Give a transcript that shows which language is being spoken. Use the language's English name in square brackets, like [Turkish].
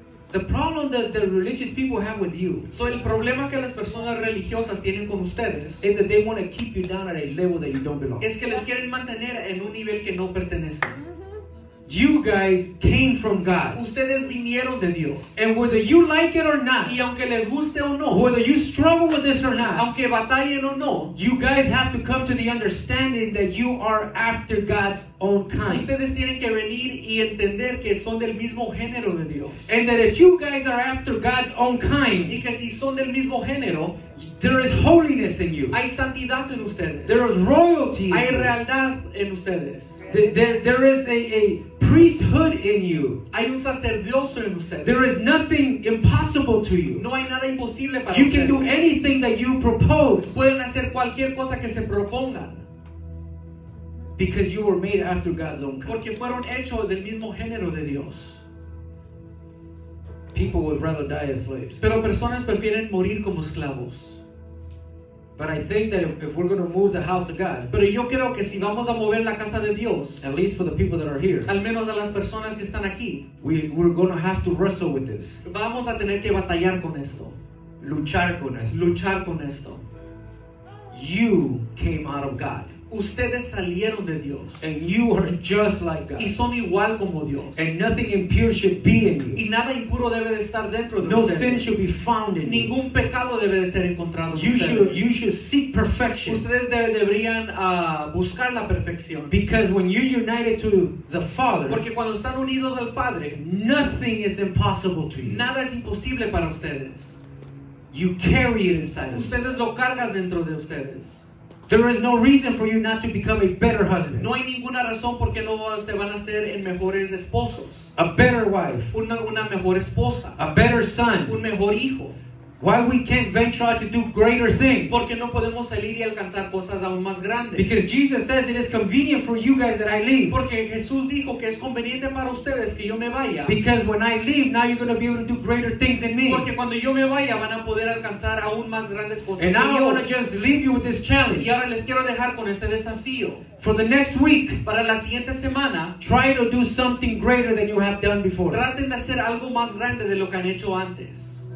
[English] The problem that the religious people have with you. [Spanish] So el problema que las personas religiosas tienen con ustedes [English] is that they want to keep you down at a level that you don't belong. [Spanish] Es que les quieren mantener en un nivel que no pertenecen. [English] You guys came from God. [Spanish] Ustedes vinieron de Dios. [English] And whether you like it or not, [Spanish] y aunque les guste o no, [English] whether you struggle with this or not, [Spanish] aunque batallen o no, [English] you guys have to come to the understanding that you are after God's own kind. [Spanish] Ustedes tienen que venir y entender que son del mismo género de Dios. [English] And that if you guys are after God's own kind, [Spanish] y que si son del mismo género, [English] there is holiness in you. [Spanish] Hay santidad en ustedes. [English] There is royalty. [Spanish] Hay realidad en ustedes. [English] There is a priesthood in you. [Spanish] Hay un sacerdocio en usted. [English] There is nothing impossible to you. [Spanish] No hay nada imposible para usted. [English] You can do anything that you propose. [Spanish] Pueden hacer cualquier cosa que se propongan. [English] Because you were made after God's own kind. [Spanish] Porque fueron hecho del mismo género de Dios. [English] People would rather die as slaves. [Spanish] Pero personas prefieren morir como esclavos. [English] But I think that if we're going to move the house of God, [Spanish] pero yo creo que si vamos a mover la casa de Dios, [English] at least for the people that are here, [Spanish] al menos a las personas que están aquí, [English] we're going to have to wrestle with this. [Spanish] Vamos a tener que batallar con esto. Luchar con esto. Luchar con esto. [English] You came out of God. [Spanish] Ustedes salieron de Dios. [English] And you are just like God. [Spanish] Y son igual como Dios. [English] And nothing impure should be in you. [Spanish] Y nada impuro debe de estar dentro de no ustedes. [English] No sin should be found in you. [Spanish] Ningún pecado debe de ser encontrado you en ustedes. [English] You should seek perfection. [Spanish] Ustedes deberían buscar la perfección. [English] Because when you're united to the Father, [Spanish] porque cuando están unidos al Padre, [English] nothing is impossible to you. [Spanish] Nada es imposible para ustedes. [English] You carry it inside. [Spanish] Ustedes of lo cargan dentro de ustedes. [English] There is no reason for you not to become a better husband. [Spanish] No hay ninguna razón porque no se van a ser en mejores esposos. [English] A better wife. [Spanish] Una mejor esposa. [English] A better son. [Spanish] Un mejor hijo. [English] Why we can't venture out to do greater things? [Spanish] Porque no podemos salir y alcanzar cosas aún más grandes. [English] Because Jesus says it is convenient for you guys that I leave. [Spanish] Porque Jesús dijo que es conveniente para ustedes que yo me vaya. [English] Because when I leave, now you're going to be able to do greater things than me. [Spanish] Porque cuando yo me vaya, van a poder alcanzar aún más grandes cosas. [English] And now I want to just leave you with this challenge. [Spanish] Y ahora les quiero dejar con este desafío. [English] For the next week, [Spanish] para la siguiente semana, [English] try to do something greater than you have done before. [Spanish] Traten de hacer algo más grande de lo que han hecho antes.